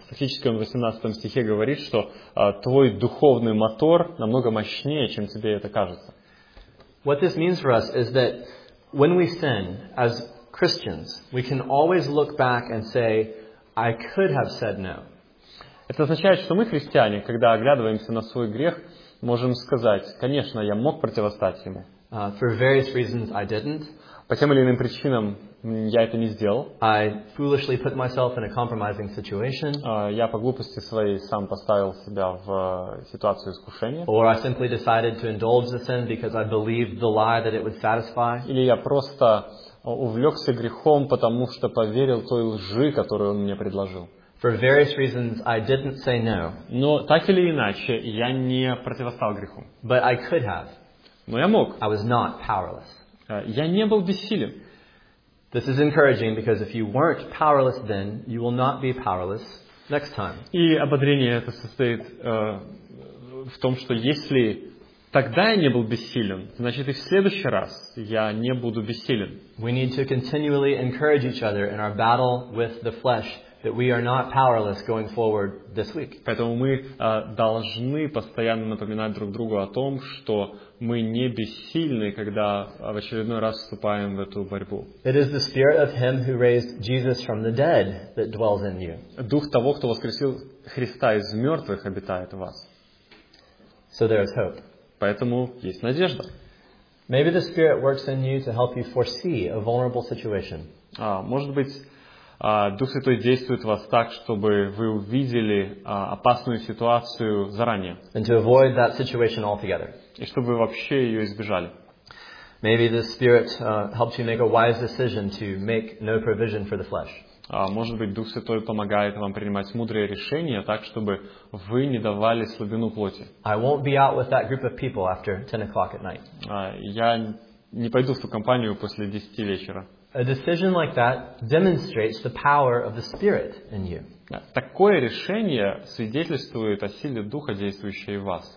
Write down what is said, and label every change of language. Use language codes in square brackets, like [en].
[ru] Фактически он в 18 стихе говорит, что твой духовный мотор намного мощнее, чем тебе это кажется. [en] What this means for us is that when we sin as Christians, we can always look back and say, I could have said no. [ru] Это означает, что мы, христиане, когда оглядываемся на свой грех, можем сказать: конечно, я мог противостать ему. [en] For various reasons I didn't. [ru] По тем или иным причинам я это не сделал. [en] I foolishly put myself in a compromising situation. [ru] Я по глупости своей сам поставил себя в ситуацию искушения. [en] Or I simply decided to indulge the sin because I believed the lie that it would satisfy. [ru] Или я просто увлекся грехом, потому что поверил той лжи, которую он мне предложил. [en] For various reasons, I didn't say no. [ru] Но так или иначе, я не противостал греху. [en] But I could have. [ru] Но я мог. [en] I was not powerless. [ru] Я не был бессилен. [en] This is encouraging because if you weren't powerless then, you will not be powerless next time. [ru] И ободрение это состоит в том, что если тогда я не был бессилен, значит и в следующий раз я не буду бессилен. [en] We need to continually encourage each other in our battle with the flesh that we are not powerless going forward this week. [ru] Поэтому мы должны постоянно напоминать друг другу о том, что мы не бессильны, когда в очередной раз вступаем в эту борьбу. [en] It is the spirit of him who raised Jesus from the dead that dwells in you. [ru] Дух того, кто воскресил Христа из мертвых, обитает в вас. [en] So there is hope. [ru] Поэтому есть надежда. [en] Maybe the spirit works in you to help you foresee a vulnerable situation. [ru] Может быть, Дух Святой действует в вас так, чтобы вы увидели опасную ситуацию заранее. [en] And to avoid that situation altogether. [ru] И чтобы вы вообще ее избежали. [en] Maybe the Spirit helps you make a wise decision to make no provision for the flesh. [ru] Может быть, Дух Святой помогает вам принимать мудрые решения так, чтобы вы не давали слабину плоти. [en] I won't be out with that group of people after 10 o'clock at night. [ru] Я не пойду в ту компанию после 10 вечера. [en] A decision like that demonstrates the power of the Spirit in you. [ru] Такое решение свидетельствует о силе Духа, действующей в вас.